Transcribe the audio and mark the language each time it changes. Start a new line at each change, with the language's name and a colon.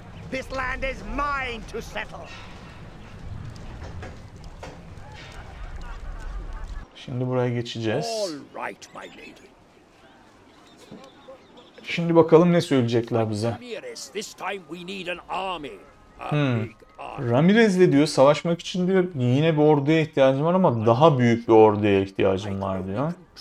English: This land is mine to settle.
Turkish: Şimdi buraya geçeceğiz.
English: All right, my lady.
Turkish: Şimdi bakalım ne söyleyecekler bize.
English: This time we need an army.
Turkish: Ramirez'le diyor savaşmak için diyor yine bir orduya ihtiyacım var ama daha büyük bir orduya ihtiyacım var diyor.